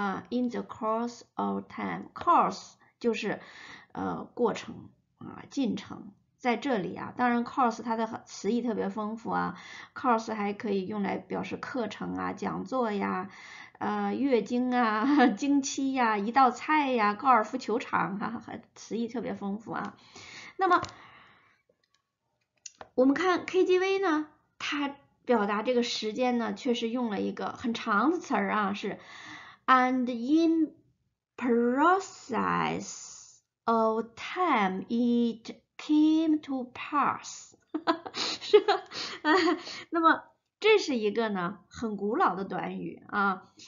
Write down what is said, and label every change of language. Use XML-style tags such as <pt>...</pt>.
<en>In the course of time，</en> <zh>course 就是过程啊，进程，在这里啊，当然 course 它的词义特别丰富啊，course 还可以用来表示课程啊、讲座呀、月经啊、经期呀、一道菜呀、高尔夫球场哈、词义特别丰富啊。那么我们看 KTV 呢，它表达这个时间呢，确实用了一个很长的词儿啊，是。</zh> <en>And in process of time, it came to pass.</en> <zh>是吧？那么这是一个呢很古老的短语啊。</zh>